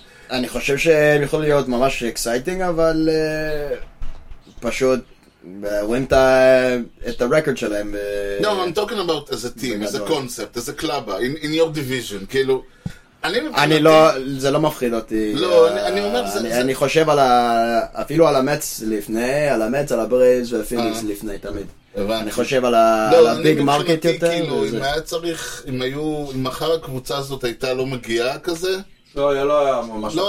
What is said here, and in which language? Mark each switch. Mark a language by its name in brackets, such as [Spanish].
[Hebrew] אני חושב שהם יכולים להיות ממש exciting, אבל פשוט רואים את הרקורד שלהם. [English] No, I'm talking about as a team, as a concept, as a club, in your division, כאילו... [Hebrew] אני לא, זה לא מפחיד אותי. לא, אני אומר, אני חושב על אפילו על המץ לפני, על המץ, על הברייבס והפיניקס לפני, תמיד. אני חושב על הביג מרקט יותר. כאילו, אם היה צריך, אם היו, אם מחר הקבוצה הזאת הייתה לא מגיעה כזה, לא היה ממש